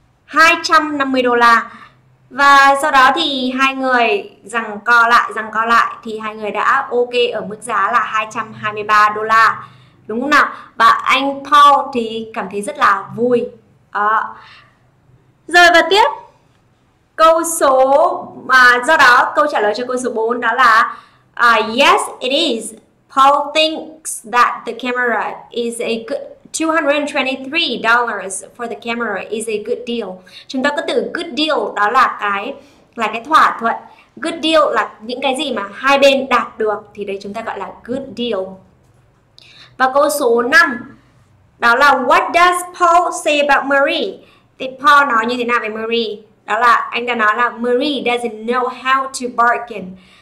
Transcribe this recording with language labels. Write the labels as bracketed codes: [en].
[vi] $250. Và sau đó thì hai người rằng co lại thì hai người đã ok ở mức giá là $223, đúng không nào? Và anh Paul thì cảm thấy rất là vui. Rồi và tiếp câu số do đó câu trả lời cho câu số 4 đó là [en] yes it is. Paul thinks that the camera is a good $223 for the camera is a good deal. [vi] Chúng ta có từ good deal, đó là cái thỏa thuận. Good deal là những cái gì mà hai bên đạt được thì đấy chúng ta gọi là good deal. Và câu số 5 đó là [en] what does Paul say about Marie? [vi] Thì Paul nói như thế nào về Marie? Đó là anh đã nói là [en] Marie doesn't know how to bargain.